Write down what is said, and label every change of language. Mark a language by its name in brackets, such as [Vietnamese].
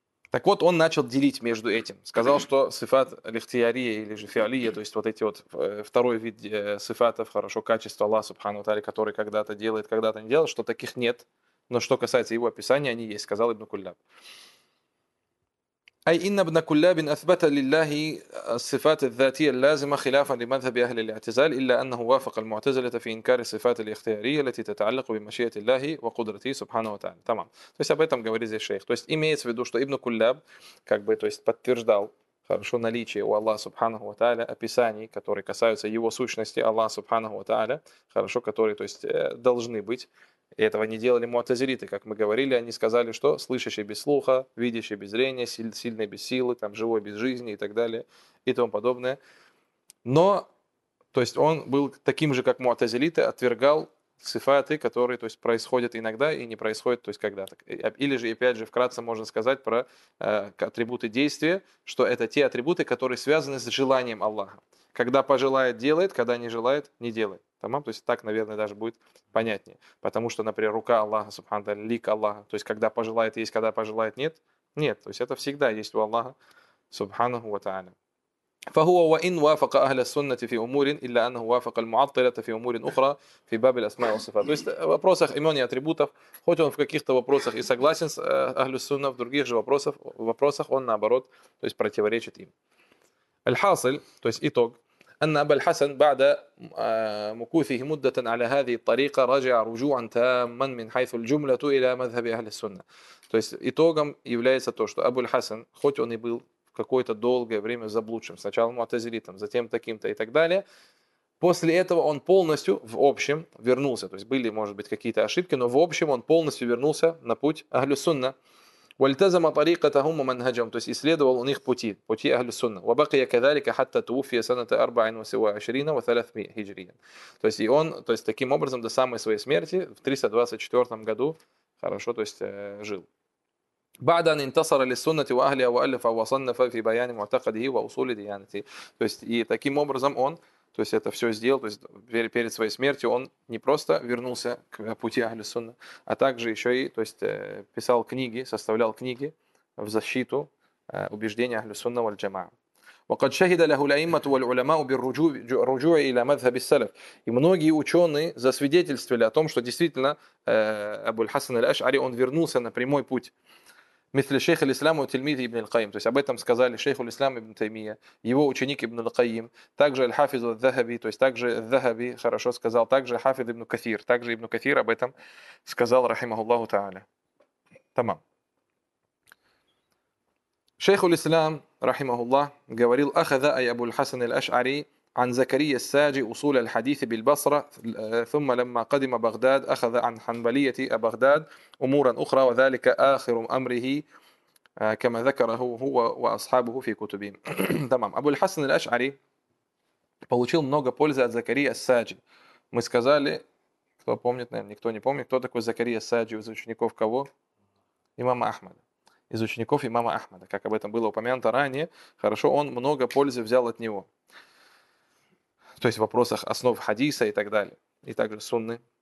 [Russian] Так вот, он начал делить между этим. Сказал, что сифат лихтиярия или же фиалия, то есть вот эти вот второй вид сифатов, хорошо, качество Аллаха Субхану Тали, который когда-то делает, когда-то не делает, что таких нет. Но что касается его описания, они есть, сказал Ибн Кулляб. [Arabic] أي إن ابن كلاب أثبت لله الصفات الذاتية اللازمة خلافا لمذهب أهل الاعتزال إلا أنه وافق المعتزلة في إنكار الصفات الاختيارية التي تتعلق بمشيئة الله وقدرته سبحانه وتعالى. تمام. [Russian] То есть об этом говорит здесь шейх. То есть имеется в виду, что Ибн Кулляб как бы, то есть подтверждал хорошо наличие у Аллаха Субханаху ва Тааля описаний, которые касаются его сущности Аллаха Субханаху ва Тааля, хорошо, которые, то есть должны быть. И этого не делали муатазириты, как мы говорили, они сказали, что слышащий без слуха, видящий без зрения, сильный без силы, там, живой без жизни и так далее, и тому подобное. Но, то есть он был таким же, как муатазириты, отвергал сифаты, которые, то есть, происходят иногда и не происходят, то есть, когда-то. Или же, опять же, вкратце можно сказать про атрибуты действия, что это те атрибуты, которые связаны с желанием Аллаха. Когда пожелает, делает, когда не желает, не делает. Тамам, то есть так, наверное, даже будет понятнее. Потому что, например, рука Аллаха, субханаху ва тааля, лик Аллаха. То есть, когда пожелает есть, когда пожелает нет. Нет, то есть это всегда есть у Аллаха, субханаху ва тааля. [Arabic] فهو وإن وافق أهل السنة في أمور إلا أنه وافق المعطلة في أمور أخرى في باب الأسماء والصفات. [Russian] То есть в вопросах имен и атрибутов, хоть он в каких-то вопросах и согласен с Ахлю Сунна, в других же вопросах он наоборот, то есть противоречит им. [Arabic] الحاصل, [Russian] то есть итог, [Arabic] أن أبا الحسن بعد مكوثه مدة على هذه الطريقة رجع رجوعا تاما من حيث الجملة إلى مذهب أهل السنة. [Russian] То есть итогом является то, что Абу аль-Хасан, хоть он и был какое-то долгое время заблудшим, сначала муатазилитом, затем таким-то и так далее, после этого он полностью в общем вернулся. То есть были, может быть, какие-то ошибки, но в общем он полностью вернулся на путь Ахлю Сунна. [Arabic] والتزم طريقتهم ومنهجهم [Russian] то есть исследовал он их пути, пути Ахлю Сунна. [Arabic] وبقي كذلك حتى توفي سنة 24 و300 هجريا. [Russian] То есть и он, то есть таким образом до самой своей смерти в 324 году хорошо, то есть жил. [Arabic] بعد أن انتصر للسنة وأهلها وألف وصنف في بيان معتقده وأصول ديانته. [Russian] То есть и таким образом он, то есть это все сделал, то есть перед своей смертью он не просто вернулся к пути Ахли Сунна, а также еще и, то есть писал книги, составлял книги в защиту убеждения Ахли Сунна валь Джамаа. [Arabic] وقد شهد له الأئمة والعلماء بالرجوع إلى مذهب السلف. [Russian] И многие ученые засвидетельствовали о том, что действительно Абу аль-Хасан аль-Ашари, он вернулся на прямой путь. Мисли шейх аль-Ислам и тильмид ибн аль-Кайим. То есть об этом сказали шейх аль-Ислам ибн Таймия, его ученик ибн аль-Кайим, также аль-Хафиз аль-Захаби, то есть также аль-Захаби хорошо сказал, также Хафиз ибн Кафир, также ибн Кафир об этом сказал, рахимахуллаху та'аля. Тамам. Шейх аль-Ислам, рахимахуллах, говорил, [Arabic] «Ахаза ай Абу аль-Хасан аль-Аш'ари عن زكريا الساجي أصول الحديث بالبصرة ثم لما قدم بغداد أخذ عن حنبلية بغداد أمورا أخرى وذلك آخر أمره كما ذكره هو وأصحابه في كتبهم. تمام. [Russian] أبو الحسن الأشعري получил много пользы от Закария Саджи. Мы сказали, кто помнит, наверное, никто не помнит, кто такой Закария Саджи, из учеников кого? Имама Ахмада. Из учеников имама Ахмада. Как об этом было упомянуто ранее, хорошо, он много пользы взял от него. То есть в вопросах основ хадиса и так далее. И также сунны.